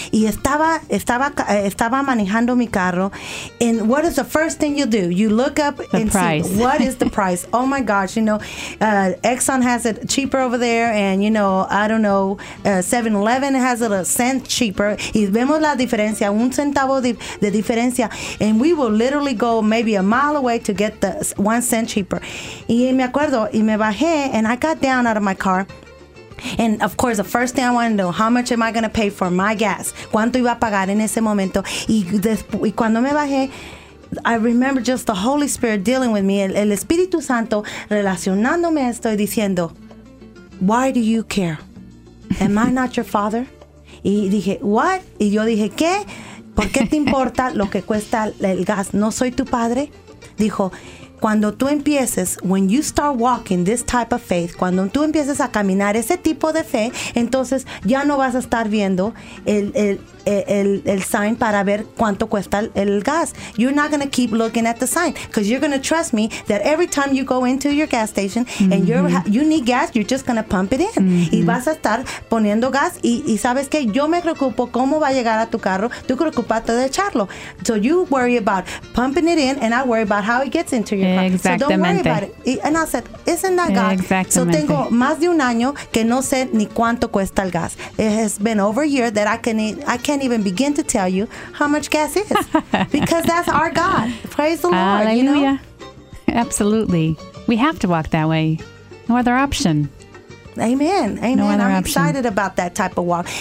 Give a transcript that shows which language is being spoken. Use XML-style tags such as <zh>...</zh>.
<es>Y estaba manejando mi carro.</es> <en>And what is the first thing you do? You look up the and price. See, what is the price? Oh, my gosh. You know, Exxon has it cheaper over there. And, you know, I don't know, 7-Eleven has it a cent cheaper.</en> <es>Y vemos la diferencia, un centavo de diferencia.</es> <en>And we will literally go maybe a mile away to get the 1 cent cheaper.</en> <es>Y me acuerdo, y me bajé,</es> <en>and I got down out of my car. And, of course, the first thing I wanted to know, how much am I going to pay for my gas?</en> <es>¿Cuánto iba a pagar en ese momento? Y cuando me bajé,</es> <en>I remember just the Holy Spirit dealing with me,</en> <es>el Espíritu Santo relacionándome a esto y diciendo,</es> <en>why do you care? Am I not your father?</en> <es>Y dije,</es> <en>what?</en> <es>Y yo dije, ¿qué? ¿Por qué te importa lo que cuesta el gas? ¿No soy tu padre? Dijo, cuando tú empieces,</es> <en>when you start walking this type of faith,</en> <es>cuando tú empieces a caminar ese tipo de fe, entonces ya no vas a estar viendo el sign para ver cuánto cuesta el gas.</es> <en>You're not going to keep looking at the sign because you're going to trust me that every time you go into your gas station mm-hmm. and you need gas, you're just going to pump it in. Mm-hmm.</en> <es>Y vas a estar poniendo gas y sabes que yo me preocupo cómo va a llegar a tu carro, tú preocupate de echarlo.</es> <en>So you worry about pumping it in and I worry about how it gets into your</en> <es>Exactamente.</es> <en>Car. So don't worry about it. And I said, isn't that God?</en> <es>Exactamente. So tengo más de un año que no sé ni cuánto cuesta el gas.</es> <en>It has been over a year that I can't even begin to tell you how much gas is because that's our God. Praise the Hallelujah. Lord, you know? Absolutely. We have to walk that way. No other option. Amen. Amen. No other I'm option. Excited about that type of walk.</en>